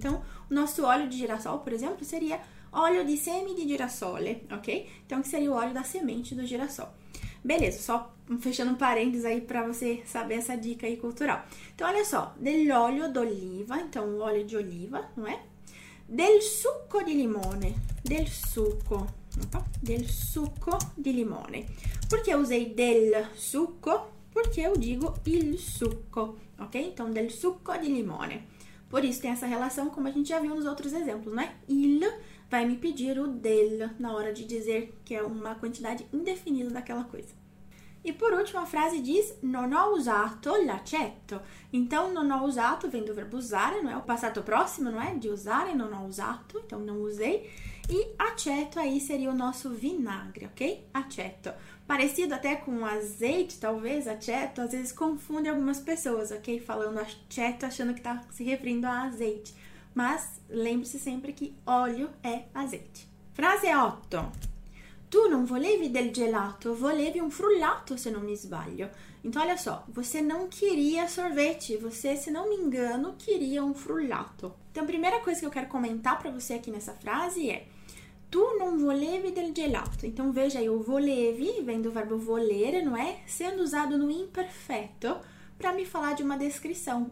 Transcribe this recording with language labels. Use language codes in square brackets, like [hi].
[pt] Então o nosso óleo de girassol, por exemplo, seria óleo [it] di semi di girasole, [pt] ok? Então que seria o óleo da semente do girassol. Beleza, só fechando um parênteses aí para você saber essa dica aí cultural. Então, olha só, [it] dell'olio d'oliva, [pt] então o óleo de oliva, não é? [it] Del succo di limone, del succo, opa, del succo di limone. [pt] Por que eu usei del succo? Porque eu digo [it] il succo, [pt] ok? [it] Então, del succo di limone. [pt] Por isso tem essa relação, como a gente já viu nos outros exemplos, não é? Il vai me pedir o del na hora de dizer que é uma quantidade indefinida daquela coisa. E por último, a frase diz [it] non ho usato l'aceto. [pt] Então, [it] non ho usato [pt] vem do verbo usare, não é? O passato próximo, não é? De usare, [it] non ho usato, [pt] então não usei. E aceto aí seria o nosso vinagre, ok? Aceto. Parecido até com azeite, talvez, aceto, às vezes confunde algumas pessoas, ok? Falando aceto, achando que está se referindo a azeite. Mas lembre-se sempre que óleo é azeite. Frase 8. [it] Tu non volevi del gelato, volevi un frullato, se non mi sbaglio. [pt] Então, olha só, você não queria sorvete, você, se não me engano, queria um frullato. Então, a primeira coisa que eu quero comentar para você aqui nessa frase é: [it] Tu non volevi del gelato. [pt] Então, veja aí, o volevi vem do verbo volere, não é? Sendo usado no imperfeito para me falar de uma descrição.